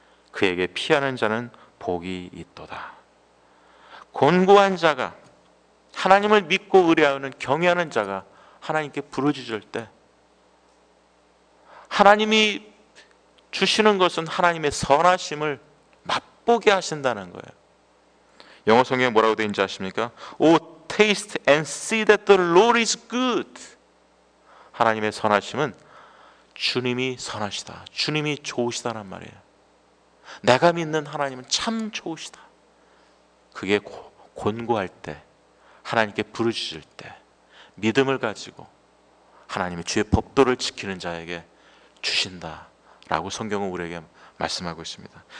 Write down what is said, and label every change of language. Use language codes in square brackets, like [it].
[ko] 그에게 피하는 자는 복이 있도다. 곤고한 자가, 하나님을 믿고 의뢰하는 경외하는 자가 하나님께 부르짖을 때 하나님이 주시는 것은 하나님의 선하심을 맛보게 하신다는 거예요. 영어 성경에 뭐라고 되어 있는지 아십니까? [en] Oh, taste and see that the Lord is good. [ko] 하나님의 선하심은 주님이 선하시다, 주님이 좋으시다란 말이에요. 내가 믿는 하나님은 참 좋으시다. 그게 곤고할 때, 하나님께 부르짖을 때 믿음을 가지고 하나님의 주의 법도를 지키는 자에게 주신다라고 성경은 우리에게 말씀하고 있습니다.